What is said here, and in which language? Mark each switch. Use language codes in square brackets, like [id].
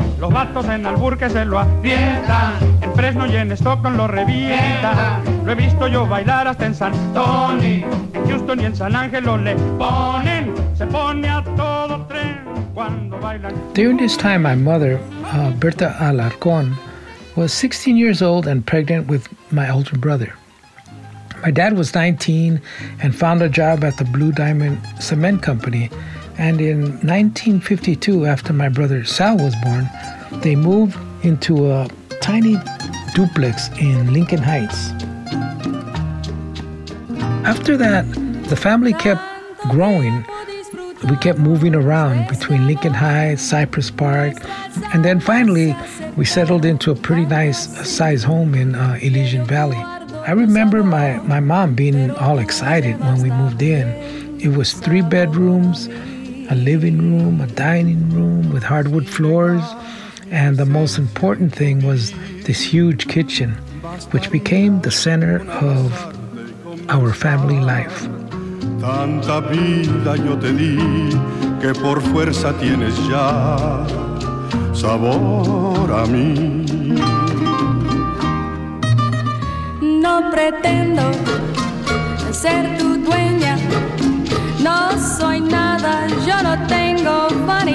[es] Los vatos en Alburque se lo avientan, en Fresno y en Stockton lo revientan. Lo he visto yo bailar hasta en San Tony, en Houston y en San Angelo le ponen, se pone a todo tren. [en] During this time, my mother, Berta Alarcón, was 16 years old and pregnant with my older brother. My dad was 19 and found a job at the Blue Diamond Cement Company. And in 1952, after my brother Sal was born, they moved into a tiny duplex in Lincoln Heights. After that, the family kept growing. We kept moving around between Lincoln Heights, Cypress Park, and then finally, we settled into a pretty nice size home in Elysian Valley. I remember my mom being all excited when we moved in. It was three bedrooms, a living room, a dining room with hardwood floors, and the most important thing was this huge kitchen, which became the center of our family life. [es] Tanta vida yo te di que por fuerza tienes ya sabor a mí. No pretendo ser tu dueña, no soy nada, yo no tengo voz.